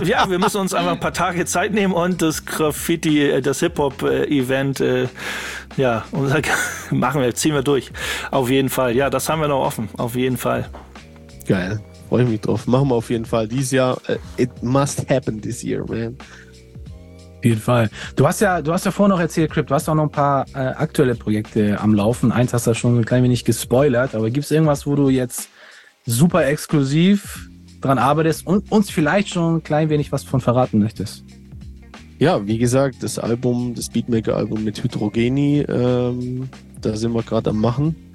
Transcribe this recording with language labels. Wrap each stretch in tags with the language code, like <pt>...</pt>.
<de>wir müssen uns einfach ein paar Tage Zeit nehmen und das Graffiti, das Hip-Hop-Event, ja, und ziehen wir durch. Auf jeden Fall, ja, das haben wir noch offen, auf jeden Fall. Geil, freue ich mich drauf. Machen wir auf jeden Fall dieses Jahr.</de> <en>It must happen this year, man.</en> <de>Auf jeden Fall. Du hast ja vorhin noch erzählt, Crypt, du hast auch noch ein paar aktuelle Projekte am Laufen. Eins hast du schon ein klein wenig gespoilert, aber gibt es irgendwas, wo du jetzt super exklusiv dran arbeitest und uns vielleicht schon ein klein wenig was von verraten möchtest? Ja, wie gesagt, das Album, das Beatmaker-Album mit Hydrogeni, da sind wir gerade am Machen.</de>